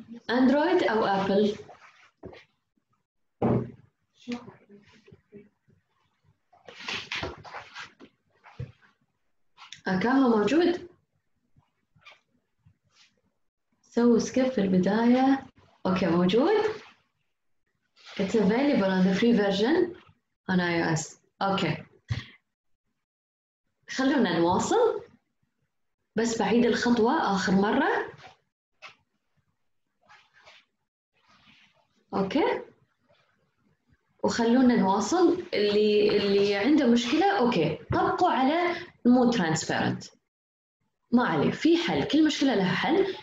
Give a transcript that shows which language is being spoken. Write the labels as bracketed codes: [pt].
[ar] أندرويد أو أبل؟ أكاها موجود؟ سووا سكيب في البداية. أوكي موجود؟ [en] It's available on the free version on iOS. [ar] أوكي خلونا نواصل، بس بعيد الخطوة آخر مرة. أوكي وخلونا نواصل. اللي عنده مشكلة أوكي طبقوا على مو ترانسبيرنت، ما عليه في حل، كل مشكلة لها حل.